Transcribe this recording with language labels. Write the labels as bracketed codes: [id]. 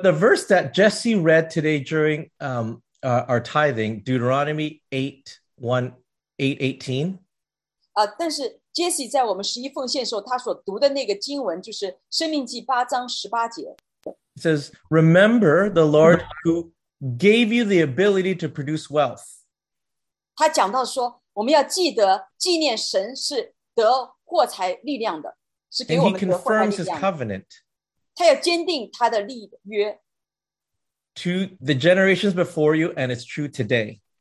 [en] the verse that Jesse read today during our tithing, Deuteronomy 8:18. [zh] 但是 Jesse 在我们十一奉献时候，他所读的那个经文就是《生命记》8:18. [en] It says, "Remember the Lord who gave you the ability to produce wealth." [zh] 他讲到说，我们要记得纪念神是得货财力量的，是给我们得货财力量。 [en] And he confirms his covenant. [zh] 他要坚定他的立约. [en] To the generations before you, and it's true today.